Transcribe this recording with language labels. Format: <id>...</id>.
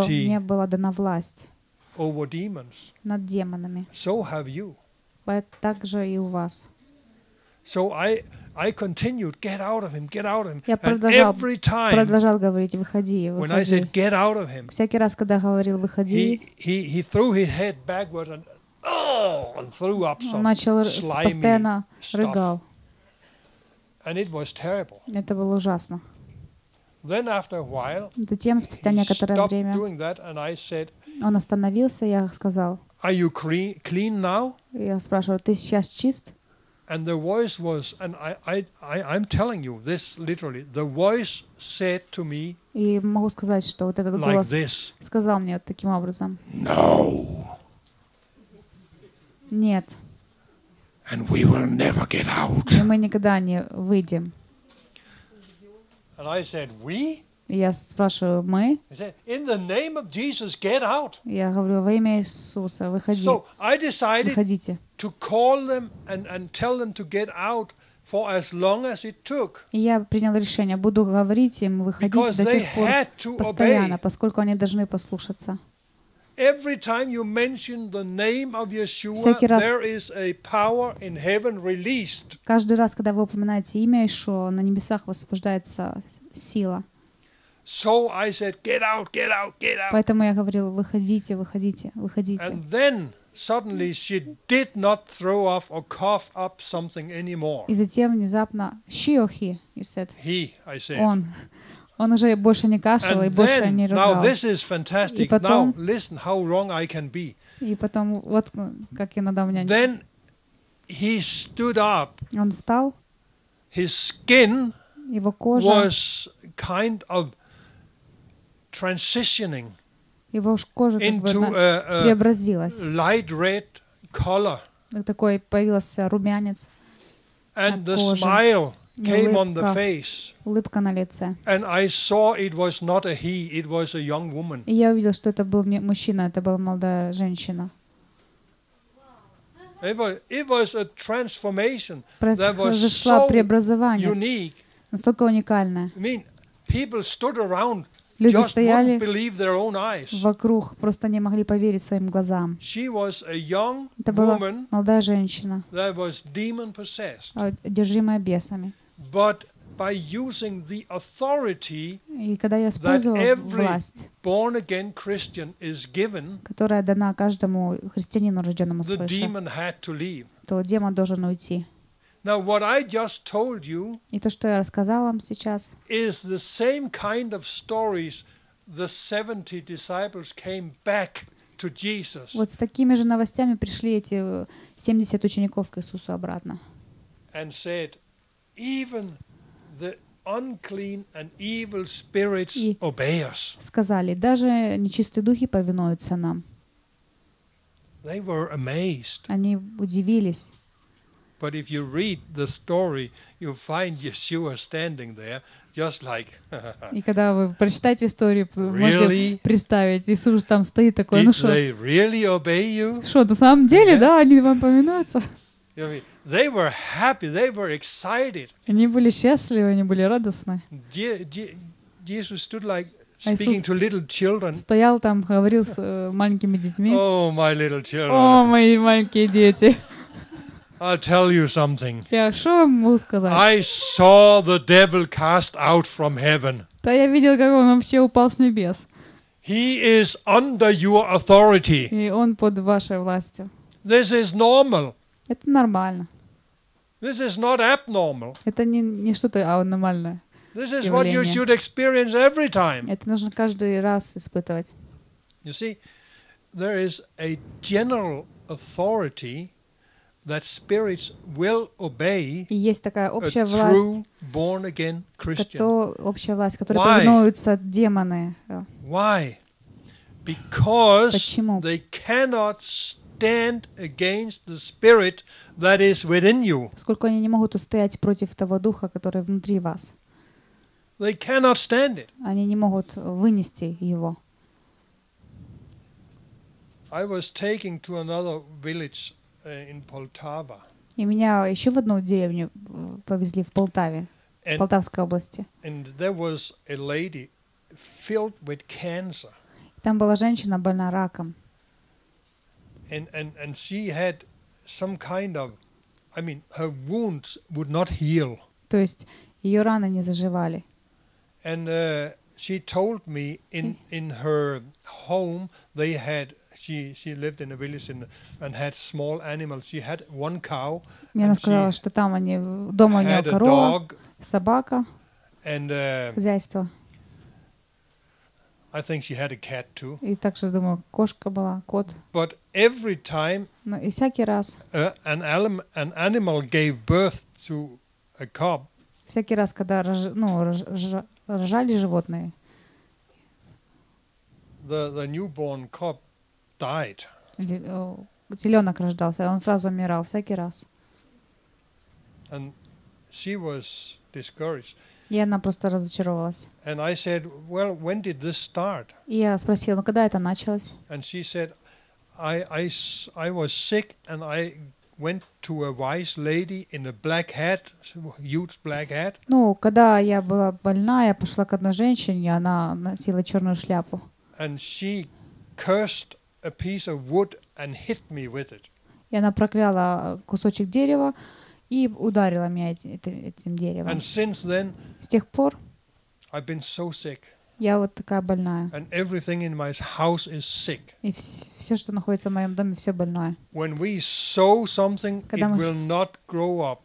<ru>Что мне была дана власть.</ru> <en>Over demons.</en> <ru>Над демонами.</ru> <en>So have you.</en> <ru>Так же и у вас.</ru> <en>So I continued, get out of him, get out of him.</en> <ru>Я продолжал,</ru> <en>every time,</en> <ru>продолжал говорить, выходи, выходи.</ru> <en>When I said, get out of him,</en> <ru>всякий раз, когда говорил, выходи,</ru> <en>he threw his head backward and, oh, and threw up some</en> <ru>начал</ru> <en>slimy</en> <ru>постоянно</ru> <en>stuff.</en> <ru>Рыгал.</ru> <en>And it was terrible.</en> <ru>Это было ужасно.</ru> <en>Then after a while,</en> <ru>затем, спустя некоторое время,</ru> <en>doing that and I said,</en> <ru>он остановился, я сказал,</ru> <en>are you clean now?</en> <ru>Я спрашиваю, ты сейчас чист?</ru> <en>And the voice was, and I'm telling you this literally. The voice said to me.</en> <ru>И могу сказать, что вот этот голос сказал мне таким образом.</ru> <en>No.</en> <ru>Нет.</ru> <en>And we will never get out.</en> <ru>И мы никогда не выйдем.</ru> <en>And I said, we?</en> <ru>Я спрашиваю, мы?</ru> <en>In the name of Jesus, get out.</en> <ru>Я говорю, во имя Иисуса, выходи.</ru> <en>So I decided to call them and tell them to get out for as long as it took.</en> <ru>Я принял решение, буду говорить им выходить до тех пор, постоянно, поскольку они должны послушаться.</ru> <en>Every time you mention the name of Yeshua, there is a power in heaven released.</en> <ru>Каждый раз, когда вы упоминаете имя Иешуа, на небесах высвобождается сила.</ru> <en>So I said, get out, get out, get out.</en> <ru>Поэтому я говорил, выходите, выходите, выходите.</ru> <en>And then suddenly she did not throw off or cough up something anymore.</en> <ru>И затем внезапно</ru> <en>she or he, you said. He, I said.</en> <ru>Он уже больше не кашлял и больше не ругал.</ru> <en>Now this is fantastic.</en> <ru>И потом,</ru> <en>now listen how wrong I can be.</en> <ru>И потом вот как иногда у меня.</ru> <en>Then he stood up.</en> <ru>Он встал.</ru> <en>His skin</en> <ru>его кожа</ru> <en>was kind of transitioning.</en> <ru>Его кожа</ru> <en>into</en> <ru>как бы, преобразилась.</ru> <en>Light red color.</en> <ru>Такой появился румянец.</ru> <en>And</en> <ru>на</ru> <en>the</en> <ru>коже.</ru> <en>Smile came on the face.</en> <ru>Улыбка на лице.</ru> <en>And I saw it was not a he, it was a young woman.</en> <ru>И я увидел, что это был не мужчина, это была молодая женщина.</ru> <en>It was a transformation.</en> <ru>Произошло преобразование.</ru> <en>Unique.</en> <ru>Настолько уникальное.</ru> <en>I mean, people stood around.</en> <ru>Люди</ru> <en>just</en> <ru>стояли</ru> <en>believe their own eyes.</en> <ru>Вокруг, просто не могли поверить своим глазам.</ru> <en>She was a young</en> <ru>это была</ru> <en>woman</en> <ru>молодая женщина,</ru> <en>that was demon possessed.</en> <ru>Одержимая бесами.</ru> <en>But by using the authority</en> <ru>и когда я использовал власть,</ru> <en>born again Christian is given,</en> <ru>которая дана каждому христианину, рожденному свыше,</ru> <en>the demon had to leave.</en> <ru>То демон должен уйти.</ru> <en>Now what I just told you is the same kind of stories the 70 disciples came back to Jesus.</en> <ru>Вот с такими же новостями пришли эти 70 учеников к Иисусу обратно.</ru> <en>And said, even the unclean and evil spirits obey us.</en> <ru>Сказали, даже нечистые духи повинуются нам.</ru> <en>They were amazed.</en> <ru>Они удивились.</ru> <en>But if you read the story, you find Yeshua standing there, just like.</en> <ru>И когда вы прочитаете историю, можете представить, Иисус там стоит такой.</ru> <en>Did they really obey you?</en> <ru>Что, на самом деле, да, они вам повинуются?</ru> <en>They were happy. They were excited.</en> <ru>Они были счастливы, они были радостны.</ru> <en>Jesus stood like speaking to little children.</en> <ru>Стоял там, говорил с маленькими детьми.</ru> <en>Oh, my little children.</en> <ru>О, мои маленькие дети.</ru> <en>I'll tell you something.</en> <ru>Я что вам могу сказать?</ru> <en>I saw the devil cast out from heaven.</en> <ru>Да я видел, как он вообще упал с небес.</ru> <en>He is under your authority.</en> <ru>И он под вашей властью.</ru> <en>This is normal.</en> <ru>Это нормально.</ru> <en>This is not abnormal.</en> <ru>Это не что-то аномальное.</ru> <en>This is what you should experience every time.</en> <ru>Это нужно каждый раз испытывать.</ru> <en>You see, there is a general authority that spirits will obey.</en> <ru>Есть такая общая власть.</ru> <en>True born again Christian.</en> <ru>Это общая власть, которой повинуются демоны.</ru> <en>Why? Because they cannot stand against the spirit that is within you.</en> <ru>Поскольку они не могут устоять против того духа, который внутри вас.</ru> <en>They cannot stand it.</en> <ru>Они не могут вынести его.</ru> <en>I was taken to another village. In Poltava.</en> <ru>И меня еще в одну деревню повезли в Полтаве,</ru> <en>and,</en> <ru>в Полтавской области.</ru> <en>And there was a lady filled with cancer.</en> <ru>Там была женщина, больная раком.</ru> <en>And she had some kind of, I mean, her wounds would not heal.</en> <ru>То есть ее раны не заживали.</ru> <en>And she told me in her home they had. She lived in a village and had small animals. She had one cow.</en> <ru>Мне она сказала, что там они дома у нее корова, собака, хозяйство.</ru> <en>I think she had a cat too.</en> <ru>И также думаю, кошка была, кот.</ru> <en>But every time.</en> <ru>Но и всякий раз.</ru> <en>An animal gave birth to a cub.</en> <ru>Всякий раз, когда рожали животные.</ru> <en>The newborn cub. Died.</en> <ru>Теленок рождался, он сразу умирал всякий раз.</ru> <en>And she was discouraged.</en> <ru>И она просто разочаровалась.</ru> <en>And I said, well, when did this start?</en> <ru>И я спросил, ну когда это началось?</ru> <en>And she said, I was sick and I went to a wise lady in a black hat, huge black hat.</en> <ru>Ну, когда я была больна, я пошла к одной женщине, она носила черную шляпу.</ru> <en>And she cursed a piece of wood and hit me with it.</en> <ru>И она прокляла кусочек дерева и ударила меня этим деревом.</ru> <en>And since then,</en> <ru>с тех пор</ru> <en>I've been so sick.</en> <ru>Я вот такая больная.</ru> <en>And everything in my house is sick.</en> <ru>И все, что находится в моем доме, все больное.</ru> <en>When we sow something,</en> <ru>когда</ru> <en>it will not grow up.</en>